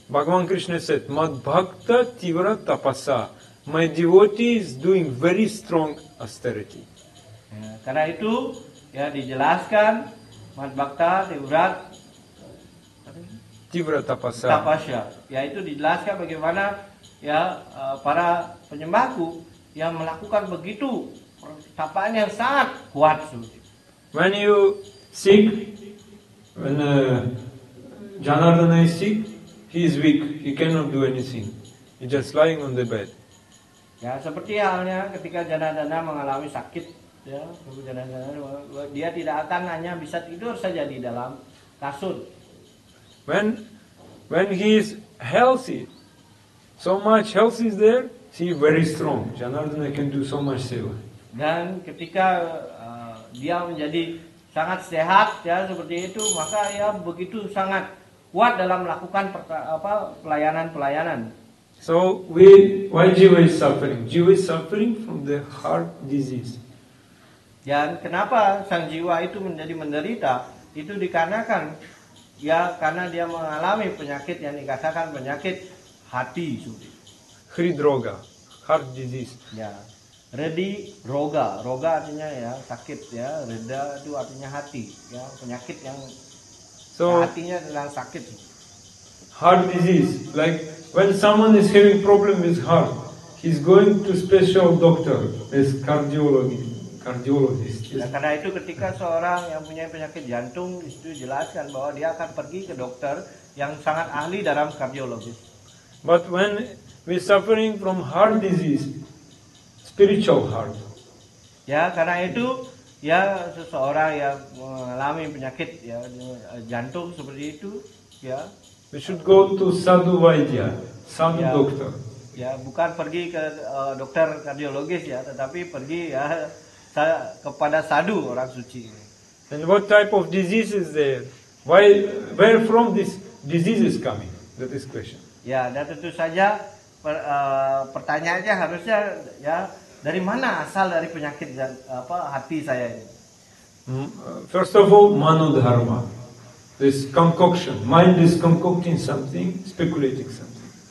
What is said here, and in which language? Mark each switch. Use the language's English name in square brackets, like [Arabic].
[English] Bhagavan Krishna said, [Sanskrit] "Mad bhakta tivra tapasa." [English] My devotee is doing very strong austerity. [Indonesian] Ya, karena itu ya dijelaskan [Sanskrit] Mad bhakta tivra tapasa. [Indonesian] Tapasya, yaitu dijelaskan bagaimana ya para penyembahku yang melakukan begitu tapaan yang sangat kuat. [English] When you sick, when Janardana is sick, he is weak, he cannot do anything. He just lying on the bed. [Indonesian] Ya, seperti halnya ketika Janardana mengalami sakit, ya, Janardana, dia tidak akan hanya bisa tidur saja di dalam kasur. [English] When he is healthy, so much health is there. He very strong. Janardana can do so much seva. [Indonesian] Dan ketika dia menjadi sangat sehat ya seperti itu, maka ia begitu sangat kuat dalam melakukan pelayanan-pelayanan. [English] So we why jiva is suffering? Jiva is suffering from the heart disease. [Indonesian] Dan kenapa sang jiwa itu menjadi menderita? Itu dikarenakan ya karena dia mengalami penyakit yang dikatakan penyakit hati. [English] Hridroga, heart disease. [Indonesian] Ya, redi roga, roga artinya ya sakit ya, reda itu artinya hati, ya penyakit yang so, hatinya sedang sakit. [English] Heart disease, like when someone is having problem with heart, he's going to special doctor, is cardiologist. [Indonesian] Ya, karena itu ketika seorang yang punya penyakit jantung itu jelaskan bahwa dia akan pergi ke dokter yang sangat ahli dalam kardiologis. [English] But when we suffering from heart disease, spiritual heart. [Indonesian] Ya, karena itu, ya seseorang yang mengalami penyakit ya jantung seperti itu, ya. [English] We should go to sadhu vaidya, sadhu ya, doctor. [Indonesian] Ya, bukan pergi ke dokter kardiologis ya, tetapi pergi ya kepada sadhu orang suci. [English] And what type of disease is there? Why, where from this disease is coming? That is question. [Indonesian] Ya, dan tentu saja. Pertanyaannya harusnya ya dari mana asal dari penyakit dan apa hati saya ini. [English] First of all, manodharma, this concoction, mind is concocting something, speculating something.